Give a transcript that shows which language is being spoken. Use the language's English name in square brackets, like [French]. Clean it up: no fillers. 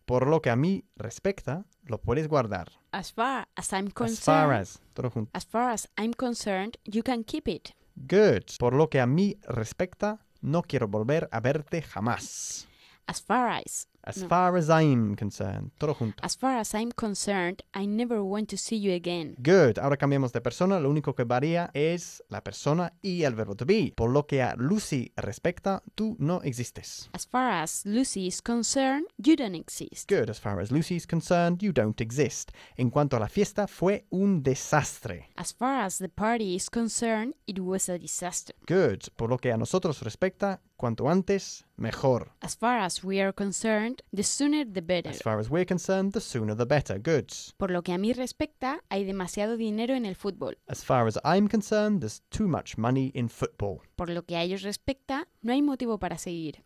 [Spanish] Por lo que a mí respecta, lo puedes guardar. [English] As far as I'm concerned. As far as. [Spanish] Todo junto. [English] As far as I'm concerned, you can keep it. Good. [Spanish] Por lo que a mí respecta, no quiero volver a verte jamás. [English] As far as. As no. far as I'm concerned. [Spanish] Todo junto. [English] As far as I'm concerned, I never want to see you again. Good. [Spanish] Ahora cambiamos de persona. Lo único que varía es la persona y el verbo to be. Por lo que a Lucy respecta, tú no existes. [English] As far as Lucy is concerned, you don't exist. Good. As far as Lucy is concerned, you don't exist. [Spanish] En cuanto a la fiesta, fue un desastre. [English] As far as the party is concerned, it was a disaster. Good. [Spanish] Por lo que a nosotros respecta, cuanto antes, mejor. [English] As far as we are concerned, the sooner the better. As far as we're concerned, the sooner the better. Good. [Spanish] Por lo que a mí respecta, hay demasiado dinero en el fútbol. [English] As far as I'm concerned, there's too much money in football. [Spanish] Por lo que a ellos respecta, no hay motivo para seguir.